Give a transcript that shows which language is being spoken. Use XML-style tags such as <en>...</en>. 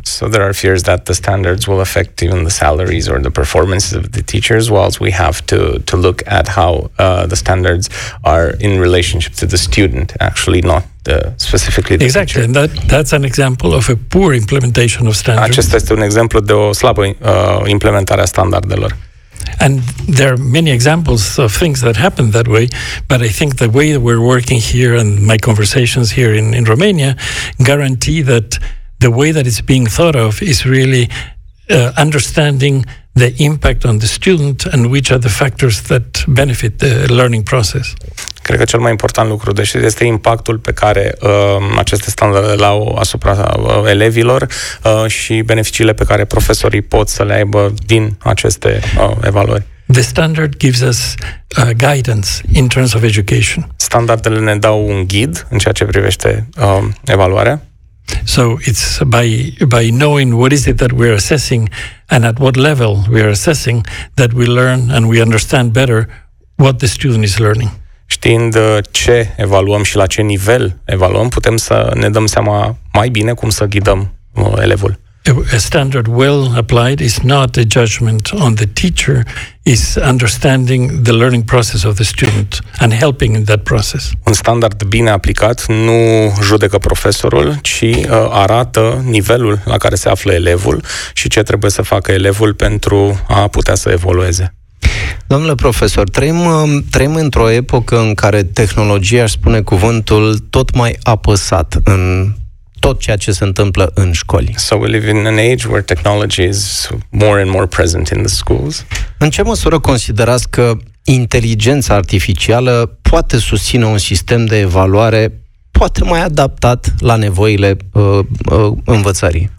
<en>So there are fears that the standards will affect even the salaries or the performances of the teachers, whilst we have to look at how the standards are in relationship to the student, actually not specifically the exactly, teacher. And that's an example of a poor implementation of standards.</en> <ro>Acesta este un exemplu de o slabă implementare a standardelor.</ro> <en>And there are many examples of things that happen that way, but I think the way that we're working here and my conversations here in Romania guarantee that the way that it's being thought of is really understanding the impact on the student and which are the factors that benefit the learning process.</en> <ro>Cred că cel mai important lucru de știut este impactul pe care aceste standarde le au asupra elevilor și beneficiile pe care profesorii pot să le aibă din aceste evaluări.</ro> <en>The standard gives us guidance in terms of education.</en> <ro>Standardele ne dau un ghid în ceea ce privește evaluarea.</ro> <en>So it's by knowing what is it that we're assessing and at what level we're assessing that we learn and we understand better what the student is learning.</en> <ro>Știind ce evaluăm și la ce nivel evaluăm, putem să ne dăm seama mai bine cum să ghidăm elevul.</ro> <en>A standard well applied is not a judgment on the teacher, is understanding the learning process of the student and helping in that process.</en> <ro>Un standard bine aplicat nu judecă profesorul, ci arată nivelul la care se află elevul și ce trebuie să facă elevul pentru a putea să evolueze. Domnule profesor, trăim într-o epocă în care tehnologia, aș spune cuvântul, tot mai apăsat în tot ceea ce se întâmplă în școli.</ro> <en>So we live in an age where technology is more and more present in the schools.</en> <ro>În ce măsură considerați că inteligența artificială poate susține un sistem de evaluare poate mai adaptat la nevoile învățării?</ro>